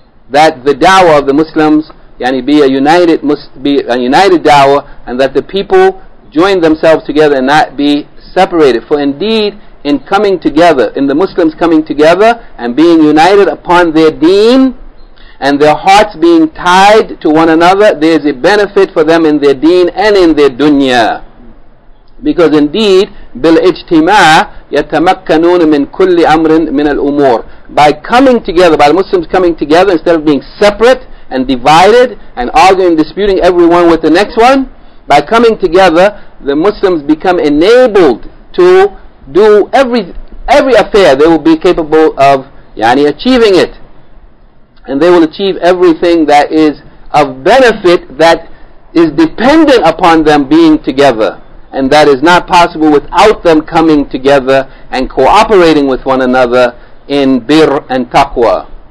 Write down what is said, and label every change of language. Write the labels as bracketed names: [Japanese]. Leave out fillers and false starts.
[English] That the da'wah of the Muslims, yani be a united da'wah, and that the people join themselves together and not be separated. For indeed, in coming together, in the Muslims coming together and being united upon their deen and their hearts being tied to one another, there is a benefit for them in their deen and in their dunya. Because indeed, [Arabic] بِالْإِجْتِمَاعِ يَتَمَكَّنُونَ مِنْ كُلِّ أَمْرٍ مِنَ الْأُمُورِ. [English] By coming together, by the Muslims coming together, instead of being separate and divided and arguing, disputing everyone with the next one, by coming together, the Muslims become enabled to do every affair. They will be capable of yani achieving it, and they will achieve everything that is of benefit that is dependent upon them being together, and that is not possible without them coming together and cooperating with one another in birr and taqwa.